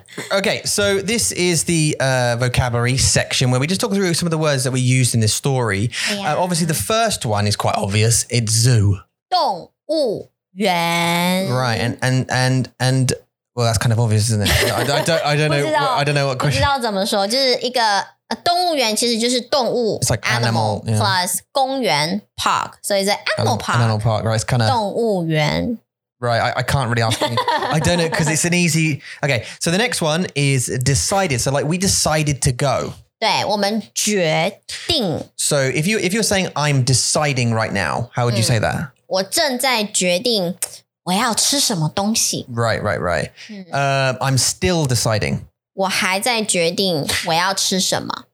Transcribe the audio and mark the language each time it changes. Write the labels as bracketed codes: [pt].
[en] Okay, so this is the vocabulary section where we just talk through some of the words that we used in this story. Yeah. Obviously, the first one is quite obvious. It's zoo. [zh] 动物园. [en] Right, and well, that's kind of obvious, isn't it? I don't know what question. [zh] 不知道怎么说，就是一个动物园，其实就是动物。 [en] It's like animal, animal plus、 yeah. [zh] 公园 [en] park, so it's an animal park. An animal park, right? It's kind of [zh] 动物园。 [en] Right, I can't really ask any, I don't know, because it's an easy... Okay, so the next one is decided. So like, we decided to go. [zh] 对,我们决定。 [en] So if you're saying, I'm deciding right now, how would you say that? [zh] 我正在决定我要吃什么东西。 [en] Right. I'm still deciding. [zh] 我还在决定我要吃什么。